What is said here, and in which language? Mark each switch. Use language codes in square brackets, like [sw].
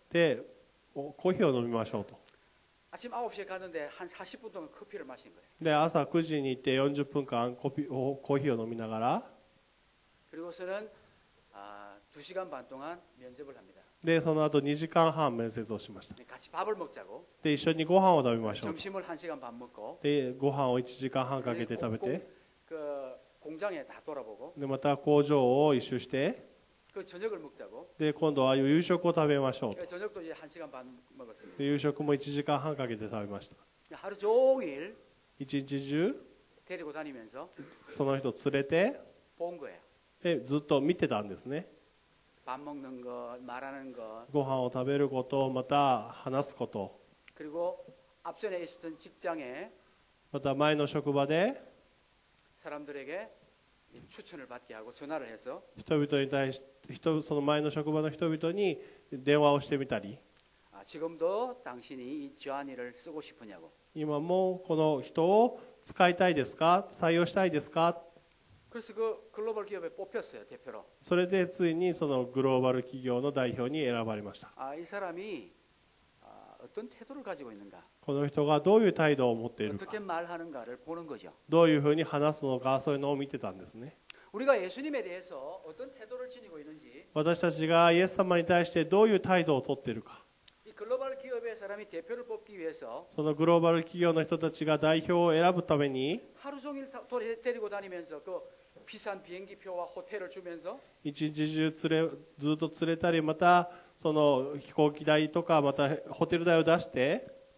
[ja] で、コーヒーを飲みましょうと [ko] 아침9시에갔는데한40분동안커피를마신거예요 [ja] で、朝9時に行って40分間コーヒーを飲みながら [ko] 그리고서는2시간반동안면접을합니다 [ja] で、その後2時間半面接をしました。 [ko] 같이밥을먹자고。 [ja] で、一緒にご飯を食べましょう。 [ko] 점심을1시간반먹고。 [ja] で、ご飯を1時間半かけて食べて。 [ko] 그공장에다돌아보고。 [ja] で、また工場を一周して。 [ko] 그저녁을먹자고。 [ja] で、今度は夕食を食べましょう。 [ko] 저녁도이제1시간반먹었습니다。 [ja] で、夕食も1時間半かけて食べました。 [ko] 하루종일。 [ja] 一日中。 [ko] 데리고다니면서 [ja] その人連れて [ko] 본거예요 [ja] ずっと見てたんですね [ko] 밥먹는거말하는거 [ja] ご飯を食べることまた話すこと [ko] 그리고앞전에있었던직장에 [ja] また前の職場で [ko] 사람들에게추천을받게하고전화를해서 [ja] 人々に対して人その前の職場の人々に電話をしてみたり [ko] 지금도당신이이조안이를쓰고싶으냐고 [ja] 今もこの人を使いたいですか採用したいですか [ko] 그래서그글로벌기업에뽑혔어요대표로 [ja] それでついにそのグローバル企業の代表に選ばれました [ko] 아이사람이어떤태도를가지고있는가 [ja] この人がどういう態度を持っているか [ko] 어떻게말하는가를보는거죠 [ja] どういうふうに話すのかそういうのを見てたんですね [ko] 우리가예수님에대해서어떤태도를지니고있는지 [ja] 私たちがイエス様に対してどういう態度を取っているかグローバル企業 [ko] 의사람이대표를뽑기위해서 [ja] そのグローバル企業の人たちが代表を選ぶために [ko] 하루종일도데리고다니면서그비싼비행기표와호텔을주면서 [ja] 一日中ずっと連れたりまたその飛行機代とかまたホテル代を出して